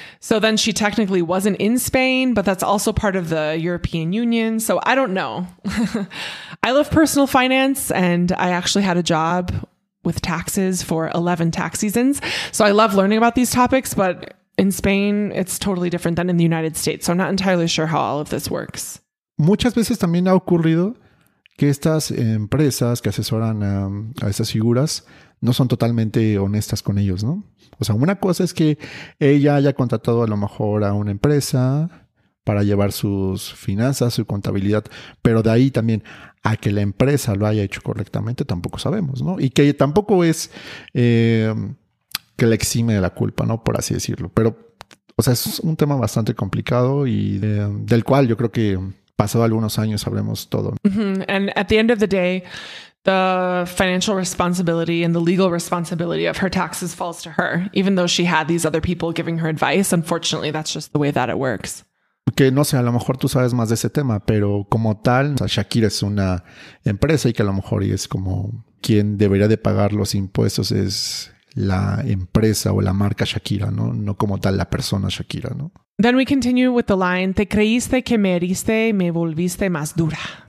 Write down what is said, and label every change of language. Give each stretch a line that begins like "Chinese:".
English: So then she technically wasn't in Spain, but that's also part of the European Union. So I don't know. I love personal finance and I actually had a job with taxes for 11 tax seasons. So I love learning about these topics, but in Spain, it's totally different than in the United States. So I'm not entirely sure how all of this works.
Spanish: Muchas veces también ha ocurrido que estas empresas que asesoran a estas figuras no son totalmente honestas con ellos, ¿no? O sea, una cosa es que ella haya contratado a lo mejor a una empresa para llevar sus finanzas, su contabilidad, pero de ahí también a que la empresa lo haya hecho correctamente, tampoco sabemos, ¿no? Y que tampoco es que la exime de la culpa, ¿no? Por así decirlo. Pero, o sea, es un tema bastante complicado y del cual yo creo que pasado algunos años sabremos todo. Mm-hmm.
English: And at the end of the day, the financial responsibility and the legal responsibility of her taxes falls to her, even though she had these other people giving her advice. Unfortunately, that's just the way that it works.
Spanish: Que no sé, a lo mejor tú sabes más de ese tema, pero como tal, o sea, Shakira es una empresa y que a lo mejor y es como quien debería de pagar los impuestos es la empresa o la marca Shakira, ¿no? No como tal la persona Shakira, ¿no?
English: Then we continue with the line,
Spanish: te creíste que me heriste y me volviste más dura.